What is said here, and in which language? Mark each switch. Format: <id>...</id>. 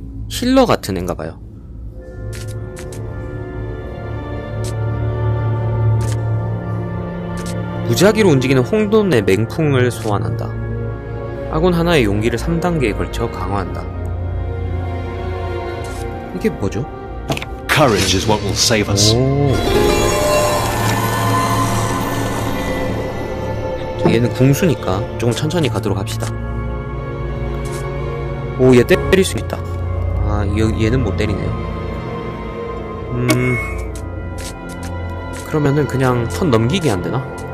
<ko>힐러 같은 애인가 봐요. 무작위로 움직이는 홍돈의 맹풍을 소환한다. 아군 하나의 용기를 3단계에 걸쳐 강화한다. 이게 뭐죠?</ko> <en>Courage is what will save us.</en> <ko>얘는 궁수니까 조금 천천히 가도록 합시다. 오, 얘 때릴 수 있다. 아, 얘는 못 때리네요. 그러면은 그냥 턴 넘기기 안 되나?</ko>